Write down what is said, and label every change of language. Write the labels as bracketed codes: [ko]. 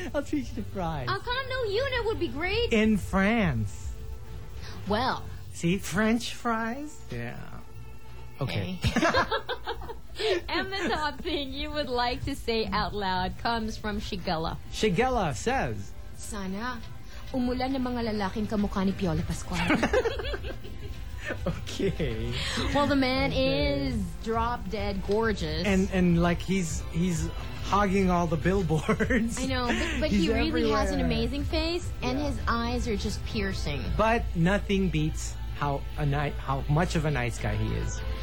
[en] I'll treat you to fries. A condo unit would be great. In France. Well. See, French fries? Yeah. Okay. And the top thing you would like to say out loud comes from Shigella. Shigella says, [tl] sana umulan ng mga lalaking kamukha ni Piola Pascual. [en] Okay. Well, the man is drop-dead gorgeous. And like, he's hogging all the billboards. I know, but he really everywhere. Has an amazing face, and yeah. His eyes are just piercing. But nothing beats how much of a nice guy he is.